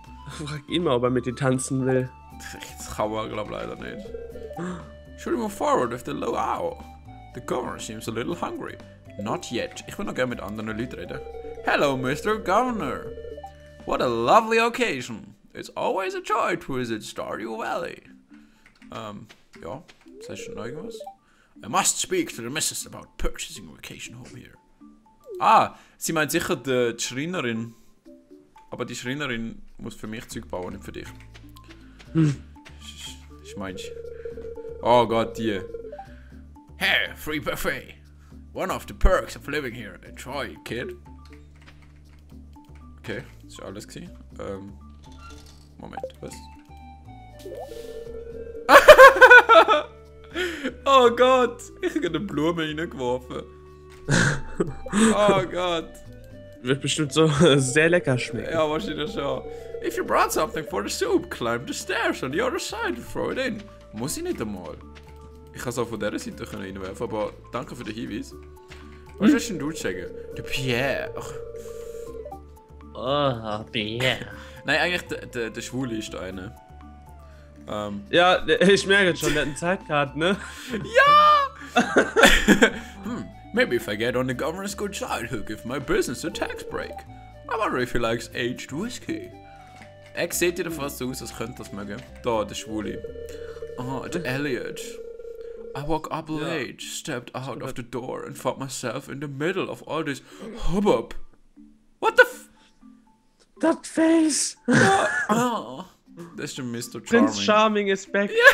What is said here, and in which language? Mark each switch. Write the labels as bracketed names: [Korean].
[German] Frag ihn mal, ob er mit dir tanzen will. Das kann man, glaube ich, leider nicht. [English] Should we move forward with the low hour? The governor seems a little hungry. Not yet. [German] Ich will noch gerne mit anderen Leuten reden. [English] Hello, Mr. Governor. What a lovely occasion. It's always a joy to visit Stardew Valley. [German] Ja, sagst du noch irgendwas? [English] I must speak to the missus about purchasing a vacation home here. [German] Ah, sie meint sicher die Schreinerin. Aber die Schreinerin muss für mich Zeug bauen, nicht für dich. Ich meinst. Oh Gott, die. [English] Hey, free buffet. One of the perks of living here. Enjoy, kid. [German] Okay, das war alles gewesen. Moment, was? Oh Gott, ich habe eine Blume reingeworfen. Oh Gott. Wird bestimmt so sehr lecker schmecken. Ja, wahrscheinlich schon. [English] If you brought something for the soup, climb the stairs on the other side and throw it in. [German] Muss ich nicht einmal. Ich kann es auch von dieser Seite reinwerfen, aber danke für den Hinweis. Was willst du denn sagen? Der Pierre. Oh, Pierre. Nein, eigentlich der Schwule ist da einer. Ja, ich merke schon, der hat eine Zeitkarte, ne? [English] Ja! maybe if I get on the governor's good side, he'll give my business a tax break. I wonder if he likes aged whiskey. [German] Er sieht ja fast so aus, als könnte das mögen. Da, der Schwule. Oh, der Elliot. [English] I walk up late, stepped out of the door and found myself in the middle of all this hubbub. What the f... That face! Oh. That's the Mr. Charming. Prince Charming is back.